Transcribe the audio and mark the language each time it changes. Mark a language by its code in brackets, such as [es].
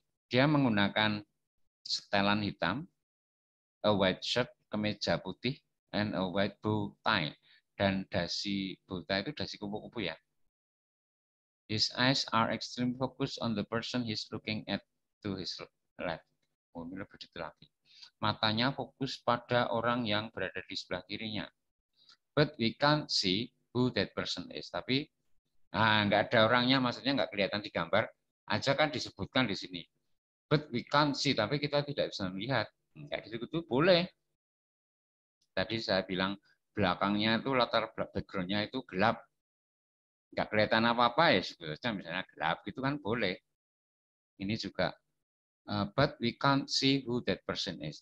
[id] Dia menggunakan setelan hitam, [en] a white shirt, [id] kemeja putih, [en] and a white bow tie. [id] Dan dasi buta itu dasi kupu-kupu ya. [en] His eyes are extremely focused on the person he's looking at to his left. [id] Oh, ini lebih detail lagi. matanya fokus pada orang yang berada di sebelah kirinya. [en] But we can't see who that person is. [id] Tapi enggak ada orangnya, maksudnya enggak kelihatan di gambar. Aja kan disebutkan di sini. [en] But we can't see, [id] tapi kita tidak bisa melihat. Enggak gitu-gitu, boleh. Tadi saya bilang belakangnya itu latar background-nya itu gelap. Enggak kelihatan apa-apa ya, sebetulnya misalnya gelap gitu kan boleh. Ini juga. [en] But we can't see who that person is.